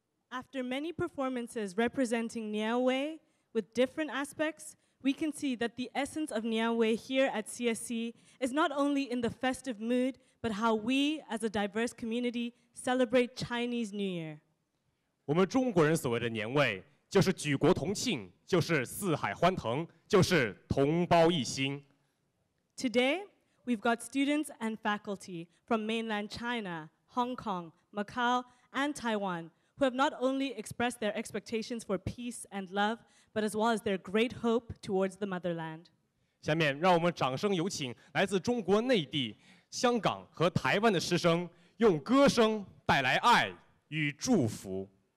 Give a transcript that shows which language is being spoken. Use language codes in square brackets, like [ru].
[en] After many performances representing Nianwei with different aspects, we can see that the essence of Nianwei here at CSC is not only in the festive mood, but how we, as a diverse community, celebrate Chinese New Year. [zh] 我们中国人所谓的年味, 就是举国同庆, 就是四海欢腾, 就是同胞一心。 [en] Today, we've got students and faculty from mainland China, Hong Kong, Macau, and Taiwan who have not only expressed their expectations for peace and love, but as well as their great hope towards the motherland. [zh] 下面让我们掌声有请来自中国内地, 香港和台湾的师生, 用歌声带来爱与祝福。